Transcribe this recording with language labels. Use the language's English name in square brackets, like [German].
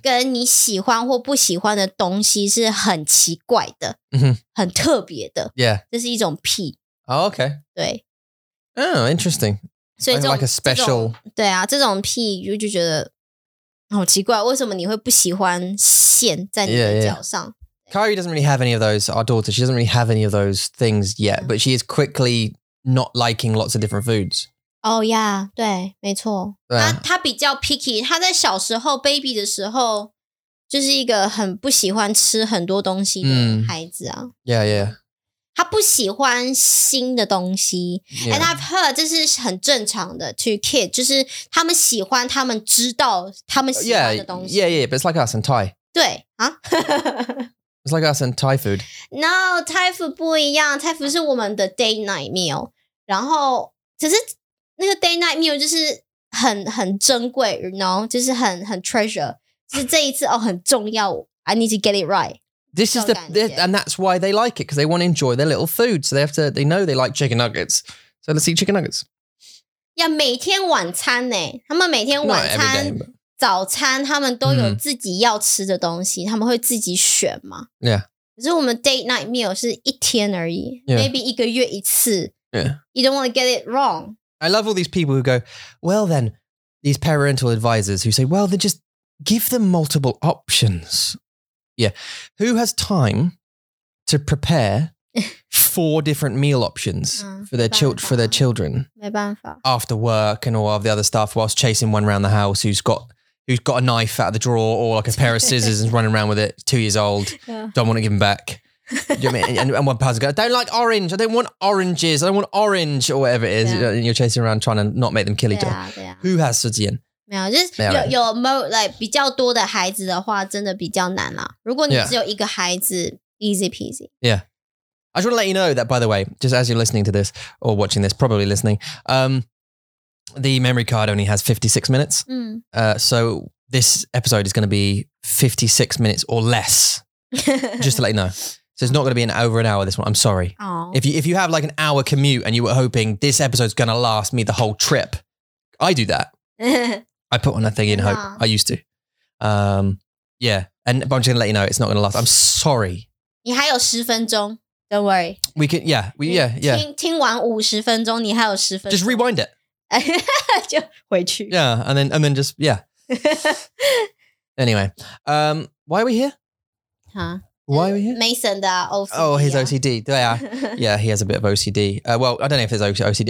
[Chinese] 跟你喜欢或不喜欢的东西是很奇怪的，嗯、很特别的。 [English] Yeah， [Chinese] 这是一种癖。 [English] Oh, OK， [Chinese] 对。 [English] Oh, interesting. [Chinese] 所以这种 [English] like a special， [Chinese] 对啊，这种癖就觉得好奇怪，为什么你会不喜欢线在你的脚上 [English] ？Kari doesn't really have any of those. Our daughter, she doesn't really have any of those things yet,、but she is quickly not liking lots of different foods. [Chinese] 哦、 [English] oh, yeah, [Chinese] 对没错。他比较 picky, 他在小时候 baby 的时候就是一个很不喜欢吃很多东西的孩子啊。 [English] Yeah, yeah. [Chinese] 他不喜欢新的东西。 [English] Yeah. And I've heard, [Chinese] 这是很正常的 [English] to kid, [Chinese] 就是他们喜欢他们知道他们喜欢的东西。 [English] Yeah, yeah, yeah, but it's like us and Thai. [Chinese] 对啊。 [English] it's like us and Thai food. [Chinese] No, Thai food 不一样 ,Thai food 是我们的 day night meal. 然后只是那个 day night meal 就是很珍贵 [English] you know? [Chinese] 就是很 treasure 就是这一次哦很重要 [English] I need to get it right This is the And that's why they like it Because they want to enjoy their little food So they have to They know they like chicken nuggets So let's eat chicken nuggets [Chinese] Yeah 每天晚餐耶他们每天晚餐 [English] game, [Chinese] 早餐他们都有自己要吃的东西他们会自己选嘛 [English] Yeah [Chinese] 可是我们 day night meal 是一天而已 Maybe 一个月一次 [English] Yeah You don't want to get it wrong I love all these people who go, well then, these parental advisors who say, well, then just give them multiple options. Yeah. Who has time to prepare four different meal options for their children after work and all of the other stuff whilst chasing one around the house who's got a knife out of the drawer or like a pair of scissors and is running around with it, 2 years old, don't want to give them back. Do you know what I mean? And one person goes, I don't like orange. I don't want oranges. I don't want orange or whatever it is. Yeah. And you're chasing around trying to not make them kill each other. Who has [Chinese] 时间? 没有, 就是有, 没有, 有, like, 比较多的孩子的话真的比较难啦。如果你只有一个孩子, [English] easy peasy. Yeah. I just want to let you know that, by the way, just as you're listening to this or watching this, probably listening, the memory card only has 56 minutes. Mm. So this episode is going to be 56 minutes or less. Just to let you know. So it's not going to be an over an hour this one. I'm sorry. If you have like an hour commute and you were hoping this episode's going to last me the whole trip, I do that. I put on a thing in hope. I used to. Yeah. And I'm just going to let you know it's not going to last. I'm sorry. [Chinese] 你还有十分钟. [English] Don't worry. We can, yeah. We, yeah, yeah. [Chinese] 听完五十分钟,你还有十分钟. [English] Just rewind it. [Chinese] 就回去. [English] Yeah. And then just, yeah. Anyway. Why are we here? Huh? Why are we here? [Chinese] Mason 的 OCD. [English] Oh, his OCD. Yeah, yeah he has a bit of OCD. Well, I don't know if it's OCD.